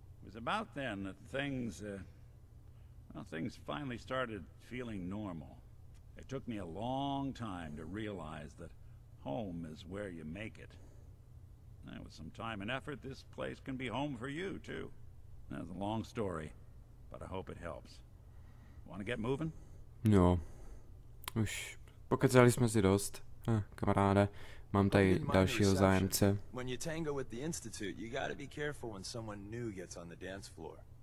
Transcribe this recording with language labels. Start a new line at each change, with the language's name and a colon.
English: It was about then that things, things finally started feeling normal. It took me a long time to realize that home is where you make it. Now, with some time and effort, this place can be home for you, too. That's a long story, but I hope it helps. Want to get moving? No.
Czech: Už pokecali jsme si dost, kamaráde. Mám tady dalšího zájemce.
English: When you tango with the Institute, you gotta be careful when someone new gets on the dance floor.